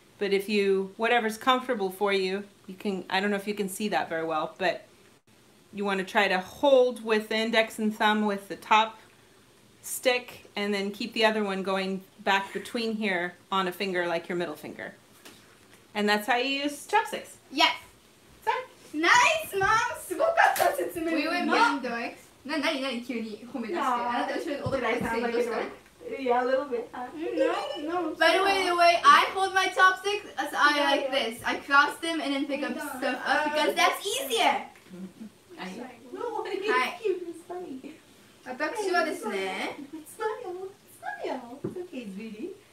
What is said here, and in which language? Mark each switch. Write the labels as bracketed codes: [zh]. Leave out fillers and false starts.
[en] But if you, whatever's comfortable for you, you can, I don't know if you can see that very well, but you want to try to hold with the index and thumb with the top. Stick and then keep the other one going back between here on a finger like your middle finger, and that's how you use chopsticks. Yes. Sorry. Nice, mom. [ja] すごかった説明。 [en] We were making dogs. [ja] な何何急に褒め出して。あなた後ろで踊って [en] ました。Yeah, a little bit. No, no. By the way, I hold my chopsticks as I like this. I cross them and then pick up stuff up because that's easier. No, what are you doing? It's funny. [ja] 私はですね。 [en] Smile, smile. It's okay, baby.